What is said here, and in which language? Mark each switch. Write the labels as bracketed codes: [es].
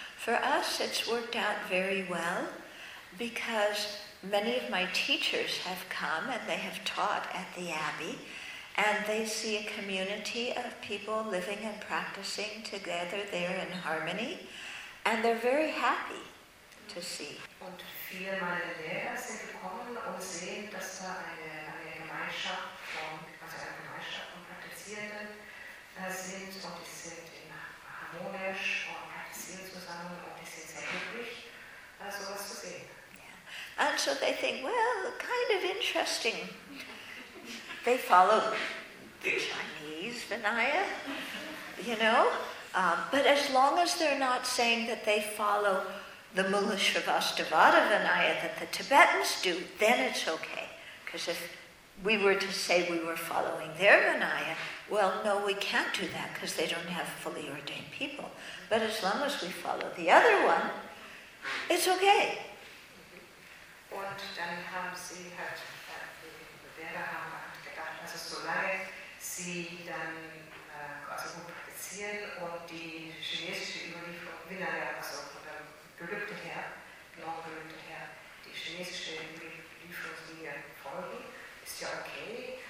[en] For us, it's worked out very well because many of my teachers have come and they have taught at the Abbey and they see a community of people living and practicing together there in harmony and they're very happy to see. [de] Und viele meiner Lehrer sind gekommen und sehen, dass da eine Gemeinschaft [en] and so they think, well, kind of interesting. They follow the Chinese Vinaya, you know, But as long as they're not saying that they follow the Mula Srivastavada Vinaya that the Tibetans do, then it's okay. Because if we were to say we were following their Vinaya, well, no, we can't do that because they don't have fully ordained people. But as long as we follow the other one, it's okay. [de] Und dann haben sie halt, die Veda haben halt gedacht, also solange sie dann also gut praktizieren und die chinesische Überlieferung, Vinaya, also von der Gelübde her, noch Gelübde her, die chinesische Überlieferung, die ihnen folgen, ist ja okay.